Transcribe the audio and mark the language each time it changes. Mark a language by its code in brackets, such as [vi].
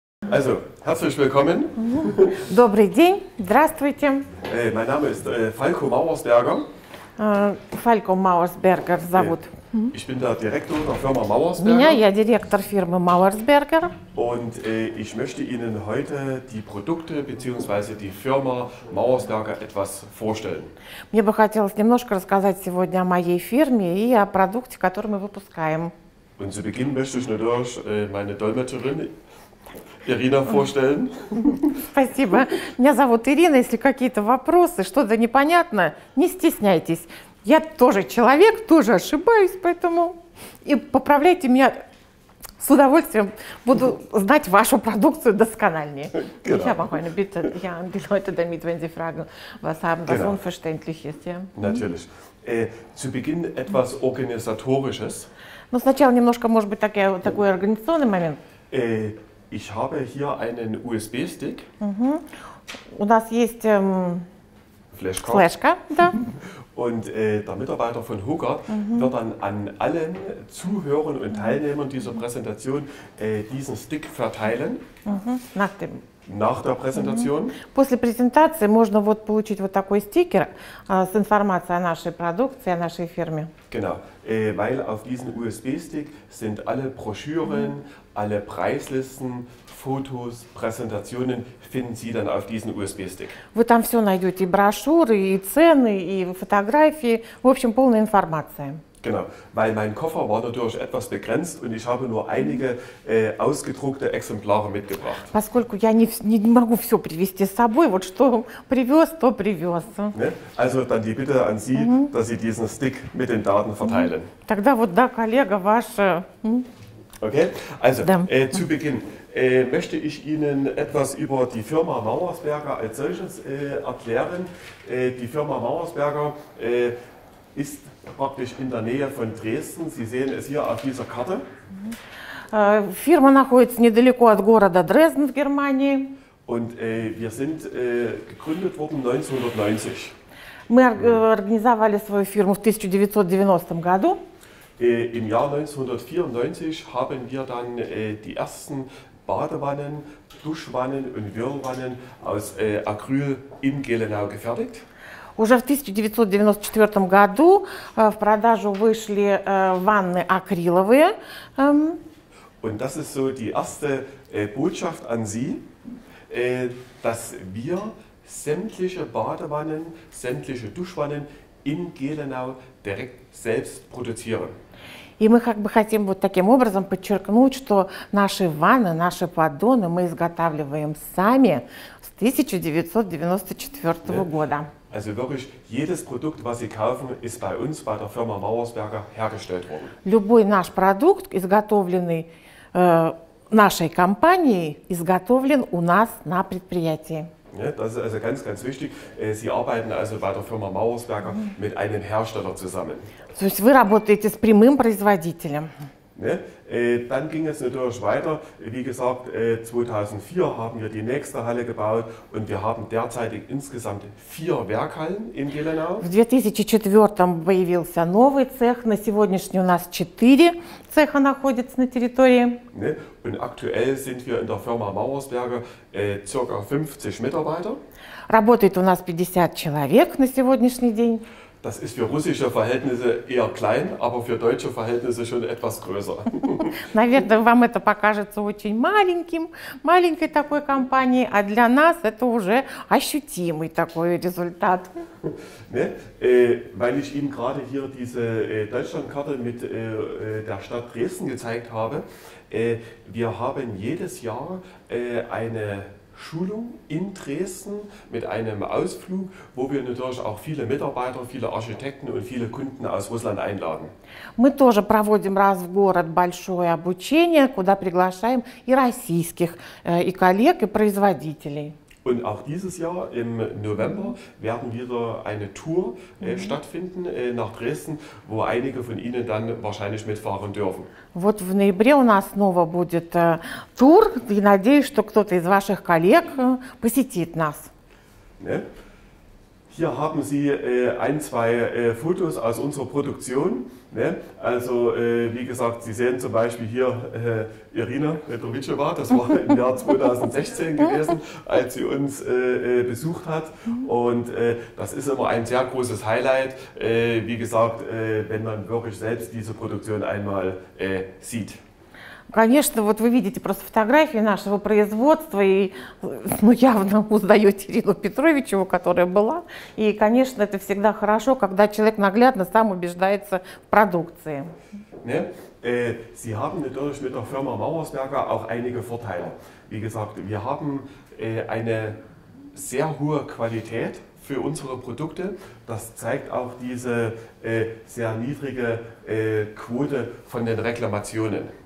[de] Also, herzlich willkommen. [ru] Добрый день. Здравствуйте. [de] Mein Name ist Falko Mauersberger. [ru] Falko Mauersberger зовут. [de] Ich bin der Direktor der Firma Mauersberger. [ru] Меня я директор фирмы Mauersberger. [de] Und ich möchte Ihnen heute die Produkte bzw. die Firma Mauersberger etwas vorstellen. [ru] Мне бы хотелось немножко рассказать сегодня о моей фирме и о продукте, который мы выпускаем. [de] Und zu Beginn möchte ich natürlich meine Dolmetscherin Ирина vorstellen. [ru] Спасибо. Меня зовут Ирина. Если какие-то вопросы, что-то непонятно, не стесняйтесь. Я тоже человек, тоже ошибаюсь, поэтому и поправляйте меня с удовольствием. Буду знать вашу продукцию доскональнее. [de] Genau. Ich habe auch eine Bitte. Ja, die Leute damit, wenn sie Fragen was haben, was genau. Unverständlich ist. Ja. Natürlich. Zu Beginn etwas Organisatorisches. [ru] Но сначала немножко, может быть, такой организационный момент. [de] Ich habe hier einen USB-Stick. [ru] У нас есть флешка. Да. [de] Und der Mitarbeiter von Hooker wird dann an allen Zuhörern und Teilnehmern dieser Präsentation diesen Stick verteilen. Nach der Präsentation. [ru] После презентации можно вот получить вот такой стикер с информацией о нашей продукции, о нашей фирме. [de] Genau, weil auf diesem USB-Stick sind alle Broschüren, alle Preislisten, Fotos, Präsentationen finden Sie dann auf diesem USB-Stick. [ru] Вы там все найдете, и брошюры, и цены, и фотографии, в общем, полная информация. [de] Genau, weil mein Koffer war natürlich etwas begrenzt und ich habe nur einige ausgedruckte Exemplare mitgebracht. [ru] Поскольку я не могу все привезти с собой, вот что привез, то привез. [de] Also dann die Bitte an Sie, dass Sie diesen Stick mit den Daten verteilen. [ru] Тогда вот да, коллега, ваша. [de] Okay, also zu Beginn möchte ich Ihnen etwas über die Firma Mauersberger als solches erklären. Die Firma Mauersberger ist praktisch in der Nähe von Dresden. Sie sehen es hier auf dieser Karte. [ru] Firma находится недалеко от города Дрезден в Германии. [de] Und wir sind gegründet worden 1990. [ru] Мы организовали свою фирму в 1990 году. [de] Im Jahr 1994 haben wir dann die ersten Badewannen, Duschwannen und Whirlwannen aus Acryl in Gelenau gefertigt. [ru] Уже в 1994 году в продажу вышли ванны акриловые. [de] Und das ist so die erste Botschaft an Sie, dass wir sämtliche Badewannen, sämtliche Duschwannen in Gelenau direkt selbst produzieren. [ru] И мы как бы хотим вот таким образом подчеркнуть, что наши ванны, наши поддоны мы изготавливаем сами с 1994 года. [de] Also wirklich, jedes Produkt, was Sie kaufen, ist bei uns, bei der Firma Mauersberger, hergestellt worden. [ru] Любой наш продукт, изготовленный нашей компанией, изготовлен у нас на предприятии. [de] Ja, das ist also ganz, ganz wichtig. Sie arbeiten also bei der Firma Mauersberger mit einem Hersteller zusammen. [ru] То есть вы работаете с прямым производителем. [de] Ne? Dann ging es natürlich weiter. Wie gesagt, 2004 haben wir die nächste Halle gebaut und wir haben derzeit insgesamt 4 Werkhallen in Gelenau. [ru] В 2004 появился новый цех, на сегодняшний у нас 4 цеха находятся на территории. [de] Ne? Und aktuell sind wir in der Firma Mauersberger ca. 50 Mitarbeiter. [ru] Работает у нас 50 человек на сегодняшний день. [de] Das ist für russische Verhältnisse eher klein, aber für deutsche Verhältnisse schon etwas größer. [ru] Наверное, вам это покажется очень маленьким, маленькой такой компанией, а для нас это уже ощутимый такой результат. [de] Ne? Weil ich Ihnen gerade hier diese Deutschlandkarte mit der Stadt Dresden gezeigt habe, wir haben jedes Jahr eine Schulung in Dresden mit einem Ausflug, wo wir natürlich auch viele Mitarbeiter, viele Architekten und viele Kunden aus Russland einladen. [ru] Мы тоже проводим раз в город большое обучение, куда приглашаем и российских, и коллег, и производителей. [de] Und auch dieses Jahr im November werden wieder eine Tour stattfinden nach Dresden, wo einige von Ihnen dann wahrscheinlich mitfahren dürfen. [ru] Вот в ноябре у нас снова будет тур, и надеюсь, что кто-то из ваших коллег посетит нас. [de] Ne? Hier haben Sie ein, zwei Fotos aus unserer Produktion. Ne? Also wie gesagt, Sie sehen zum Beispiel hier Irina Petrovitschewa. Das war im Jahr 2016 gewesen, als sie uns besucht hat. Und das ist immer ein sehr großes Highlight, wie gesagt, wenn man wirklich selbst diese Produktion einmal sieht. [ru] Конечно, вот вы видите просто фотографии нашего производства, и ну, явно узнаете Ирину Петровичеву, которая была. И, конечно, это всегда хорошо, когда человек наглядно сам убеждается в продукции. [de] Ne? Sie haben natürlich mit der Firma Mauersberger auch einige Vorteile. Wie gesagt, wir haben eine sehr hohe Qualität für unsere Produkte. Das zeigt auch diese sehr niedrige Quote von den Reklamationen.